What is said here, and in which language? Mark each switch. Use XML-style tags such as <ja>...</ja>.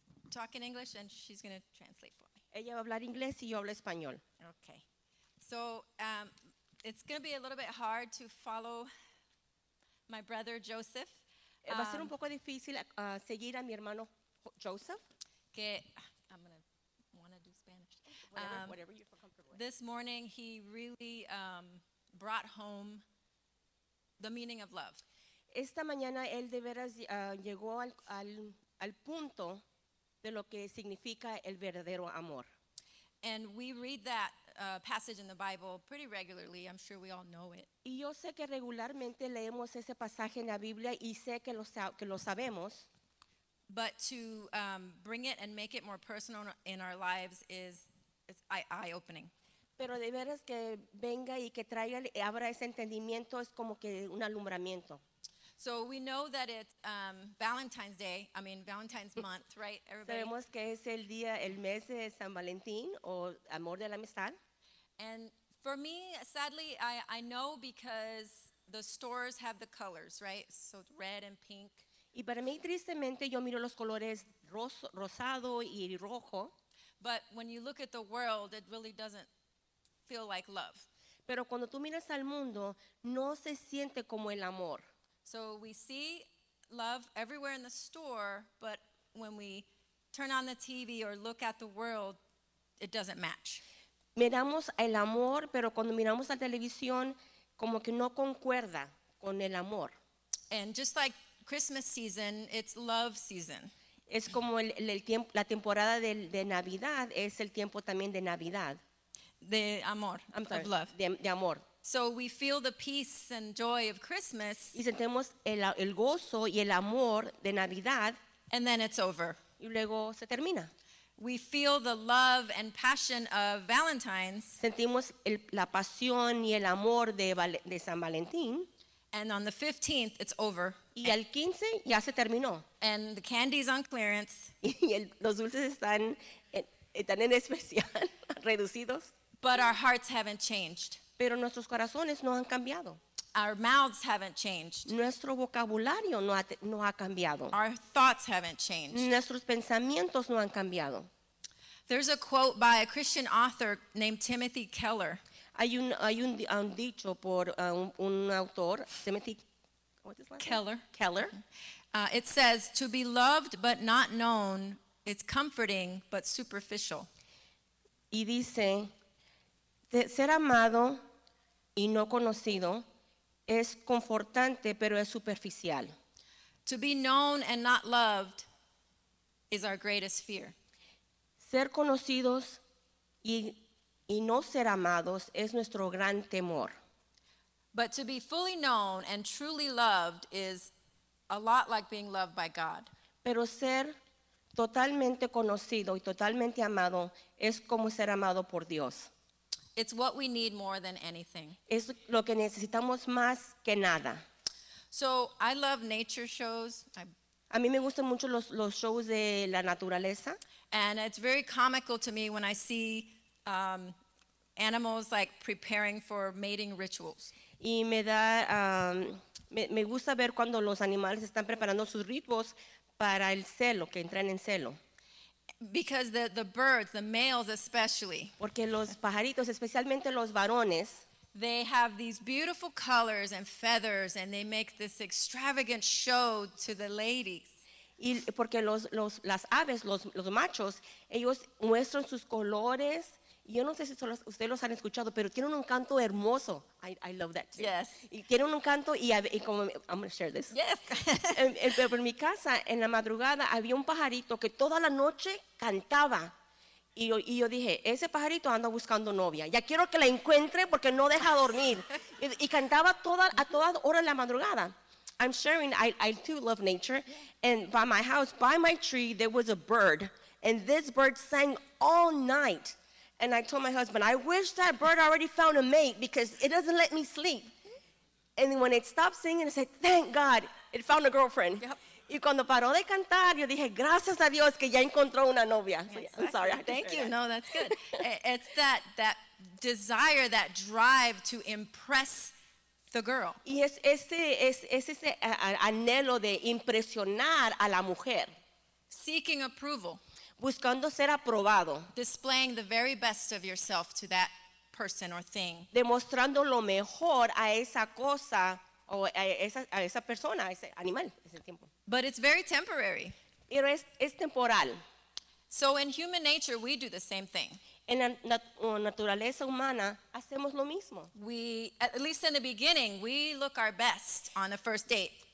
<en>Talk in English and she's going to translate for me.</en> <es>Ella va a hablar inglés y yo hablo español.</es> <en>Okay. So, it's going to be a little bit hard to follow my brother Joseph.</en> <es>Va a ser un poco difícil seguir a mi hermano Joseph.</es> <en>Que I'm going to want to do Spanish. Whatever you feel comfortable with. This morning he really brought home the meaning of love.</en> <es>Esta mañana él de veras llegó al punto de lo que significa el verdadero amor.</es> <en>And we read that passage in the Bible pretty regularly. I'm sure we all know it.</en> <es>Y yo sé que regularmente leemos ese pasaje en la Biblia y sé que lo sabemos.</es> <en>But to bring it and make it more personal in our lives is eye-opening.</en> <es>Pero de veras que venga y que traiga abra ese entendimiento es como que un alumbramiento.</es> <en>So we know that it's Valentine's Day. I mean Valentine's month, right? Everybody.</en> <es>Sabemos que es el día, el mes de San Valentín o amor de la amistad.</es> <en>And for me, sadly, I know because the stores have the colors, right? So red and pink.</en> <es>Y para mí tristemente yo miro los colores rosado y rojo.</es> <en>But when you look at the world, it really doesn't feel like love.</en> <es>Pero cuando tú miras al mundo, no se siente como el amor.</es> <en>So we see love everywhere in the store, but when we turn on the TV or look at the world, it doesn't match.</en> <es>Miramos el amor, pero cuando miramos la televisión, como que no concuerda con el amor.</es> <en>And just like Christmas season, it's love season.</en> <es>Es como el tiempo, la temporada de Navidad, es el tiempo también de Navidad. De amor,</es> <en>I'm sorry, of love.</en> <es>De amor.</es> <en>So we feel the peace and joy of Christmas.</en> <es>Y sentimos el gozo y el amor de Navidad.</es> <en>And then it's over.</en> <es>Y luego se termina.</es> <en>We feel the love and passion of Valentine's.</en> <es>Sentimos la pasión y el amor de San Valentín.</es> <en>And on the 15th, it's over.</en> <es>Y el 15 ya se terminó.</es> <en>And the candy's on clearance.</en> <es>Y los dulces están en especial, reducidos.</es> <en>But our hearts haven't changed.</en> <es>Pero nuestros corazones no han cambiado.</es> <en>Our mouths haven't changed.</en> <es>Nuestro vocabulario no ha cambiado.</es> <en>Our thoughts haven't changed.</en> <es>Nuestros pensamientos no han cambiado.</es> <en>There's a quote by a Christian author named Timothy Keller.</en> <es>Hay un dicho por un autor, Timothy,</es> <en>what is his last Keller. Name? Keller. It says, to be loved but not known, it's comforting but superficial.</en> <es>Y dice, de ser amado y no conocido es confortante, pero es superficial.</es> <en>To be known and not loved is our greatest fear.</en> <es>Ser conocidos y no ser amados es nuestro gran temor.</es> <en>But to be fully known and truly loved is a lot like being loved by God.</en> <es>Pero ser totalmente conocido y totalmente amado es como ser amado por Dios.</es> <en>It's what we need more than anything.</en> <es>Es lo que necesitamos más que nada.</es> <en>So I love nature shows.</en> <es>A mí me gustan mucho los shows de la naturaleza.</es> <en>And it's very comical to me when I see animals like preparing for mating rituals.</en> <es>Y me da me gusta ver cuando los animales están preparando sus ritos para el celo, que entran en celo.</es> <en>Because the birds, the males especially,</en> <es>porque los pajaritos, especialmente los varones,</es> <en>they have these beautiful colors and feathers, and they make this extravagant show to the ladies.</en> <es>Y porque las aves, los machos, ellos muestran sus colores Yo no sé si ustedes los han escuchado, pero tiene un canto hermoso.</es> <en>I love that too. Yes.</en> <es>Y tiene un canto y como,</es> <en>I'm going to share this. Yes.</en> <es>en mi casa, en la madrugada, había un pajarito que toda la noche cantaba. Y yo dije, ese pajarito anda buscando novia. Ya quiero que la encuentre porque no deja dormir. y cantaba a todas horas de la madrugada.</es> <en>I'm sharing, I too love nature. And by my house, by my tree, there was a bird. And this bird sang all night. And I told my husband, I wish that bird already found a mate because it doesn't let me sleep. And when it stopped singing, I said, thank God, it found a girlfriend. Yep.</en> <es>Y cuando paró de cantar, yo dije, gracias a Dios que ya encontró una novia.</es> <en>So, yeah, I'm sorry. Thank you. No, that's good. It's that desire, that drive to impress the girl.</en> <es>Y es ese anhelo de impresionar a la mujer.</es> <en>Seeking approval.</en> <es>Buscando ser aprobado.</es> <en>Displaying the very best of yourself to that person or thing.</en> <es>Demostrando lo mejor a esa cosa o a esa persona, a ese animal, ese tiempo.</es> <en>But it's very temporary.</en> <es>Pero es temporal.</es> <en>So in human nature, we do the same thing.</en> <es>En la naturaleza humana, hacemos lo mismo.</es> <en>We, at least in the beginning, we look our best on the first date.</en>